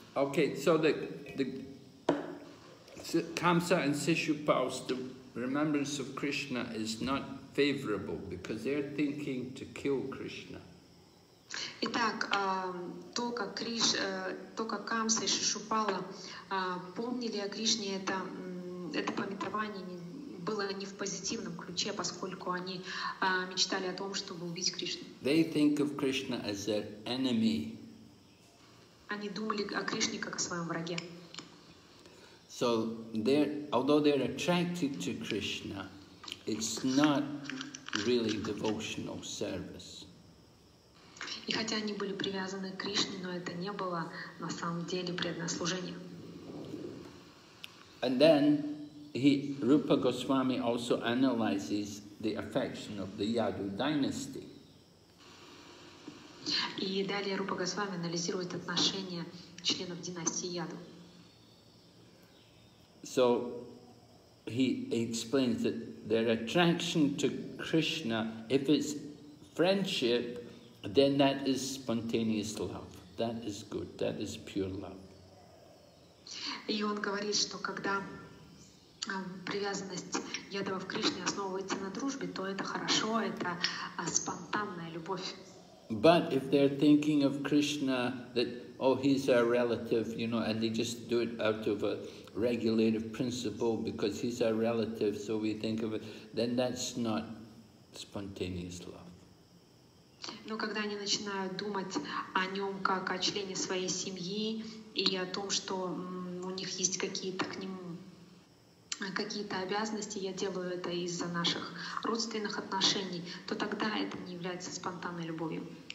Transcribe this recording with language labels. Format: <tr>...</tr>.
<en>Okay, so the Kamsa and Sishupal's, the remembrance of Krishna is not favorable because they're thinking to kill Krishna.</en> <ru>Итак, то, как Камса и Шишупала помнили о Кришне, это памятование было не в позитивном ключе, поскольку они мечтали о том, чтобы убить Кришну.</ru> <en>They think of Krishna as their enemy.</en> <ru>Они думали о Кришне как о своем враге.</ru> <en>So, although they're attracted to Krishna, it's not really devotional service.</en> <ru>И хотя они были привязаны к Кришне, но это не было на самом деле преданное служение.</ru> <en>And then Rupa Goswami also analyzes the affection of the Yadu dynasty.</en> <ru>И далее Рупа Госвами анализирует отношения членов династии Яду.</ru> <en>So he explains that their attraction to Krishna, if it's friendship, then that is spontaneous love. That is good. That is pure love.</en> <ru>И он говорит, что когда привязанность Ядова к Кришне основывается на дружбе, то это хорошо, это спонтанная любовь.</ru> <en>But if they're thinking of Krishna that, oh, he's our relative, you know, and they just do it out of a regulative principle because he's our relative, so we think of it, then that's not spontaneous love.</en> <ru>Но когда они начинают думать о нем как о члене своей семьи и о том, что у них есть какие-то к нему какие-то обязанности, я делаю это из-за наших родственных отношений, то тогда это не является спонтанной любовью.</ru>